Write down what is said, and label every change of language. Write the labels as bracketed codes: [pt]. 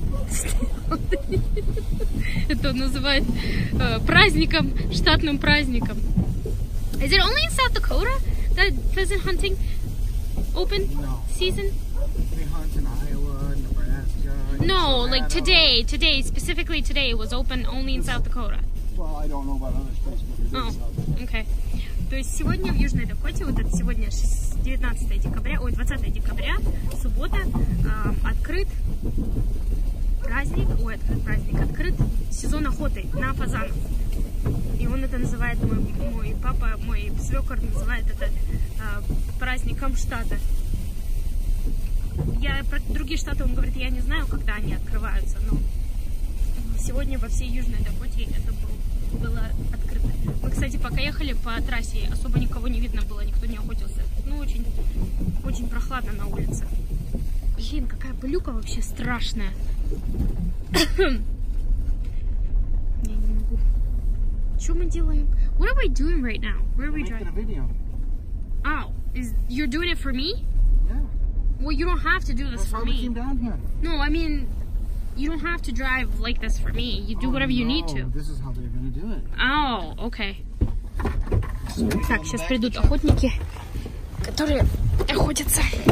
[en] State holiday. [ru] Это называют праздником, штатным праздником. [en] Is it only in South Dakota that pheasant hunting? Open no. Season? They hunt in Iowa, Nebraska. No, Nevada. Like today, specifically today, it was open only in South Dakota. Well, I don't know about other states, but it is South Dakota. Okay. [ru] То есть сегодня в Южной Дакоте, вот это сегодня 19 декабря, суббота, открыт праздник, открыт сезон охоты на фазанов. И он это называет, мой папа, мой свёкор называет это праздником штата. Я про другие штаты, он говорит, я не знаю, когда они открываются, но сегодня во всей Южной Дакоте это было открыто. Мы, кстати, пока ехали по трассе, особо никого не видно было, никто не охотился. Ну, очень прохладно на улице. Блин, какая блюка вообще страшная. Я не могу. Что мы делаем? [en] What are we doing right now? Where are we driving? Making a video. Oh, you're doing it for me? Yeah. Well, you don't have to do this for me. That's why we came down here. No, I mean, you don't have to drive like this for me. You do whatever you need to. This is how they're gonna do it. Oh, okay. [ru] Так, сейчас придут охотники, которые охотятся.